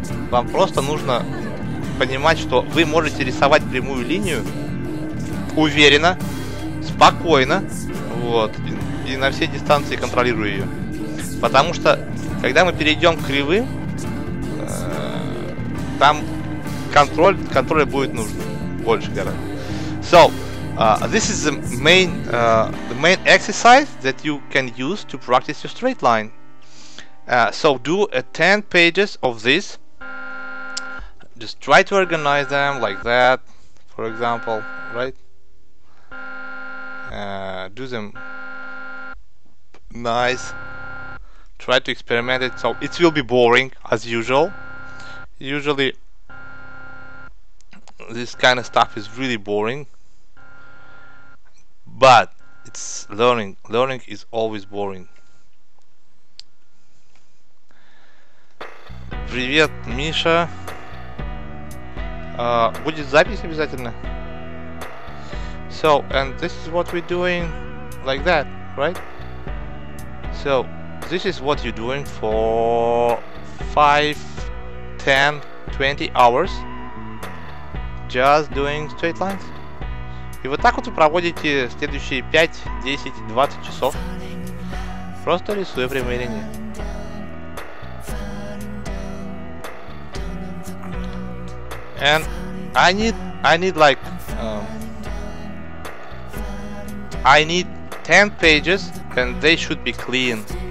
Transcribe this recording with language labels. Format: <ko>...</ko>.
<ru>Вам просто нужно понимать, что вы можете рисовать прямую линию уверенно, спокойно, вот, и на все дистанции контролируя ее. Потому что, когда мы перейдем к кривым, там контроль будет нужен больше, гораздо.</ru> <en>So, this is the main exercise that you can use to practice your straight line. So do 10 pages of this. Just try to organize them like that, for example, right? Do them nice. Try to experiment it. So it will be boring as usual. Usually this kind of stuff is really boring. But it's learning. Learning is always boring.</en> <ru>Привет, Миша. Будет запись обязательно.</ru> <en>So, and this is what we're doing like that, right? So, this is what you're doing for 5, 10, 20 hours. Just doing straight lines.</en> <ru>И вот так вот вы проводите следующие 5, 10, 20 часов. Просто рисуя прямые линии.</ru> <en>And I need like I need 10 pages and they should be clean.</en>